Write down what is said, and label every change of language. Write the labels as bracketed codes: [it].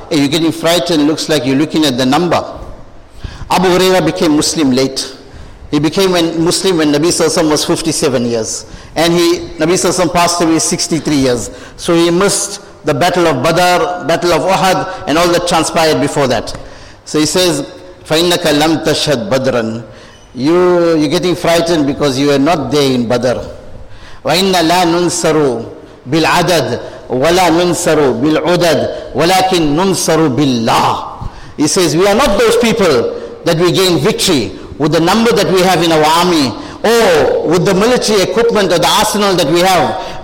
[en] Hey, you're getting frightened, looks like you're looking at the number. Abu Huraira became Muslim late. He became a Muslim when Nabi Sallallahu Alaihi Wasallam was 57 years. And Nabi Sallallahu Alaihi Wasallam passed away 63 years. So he missed the battle of Badr, battle of Uhud, and all that transpired before that. So he says, [ar] فَإِنَّكَ لَمْ تَشْهَدْ بَدْرًا. [en] You're getting frightened because you are not there in Badr. [ar] وَإِنَّ لَا نُنْسَرُ بِالْعَدَدْ وَلَا نُنْسَرُ بِالْعُدَدْ وَلَكِنْ نُنْسَرُ بِاللَّهِ. [en] He says, we are not those people that we gain victory with the number that we have in our army, or with the military equipment or the arsenal that we have.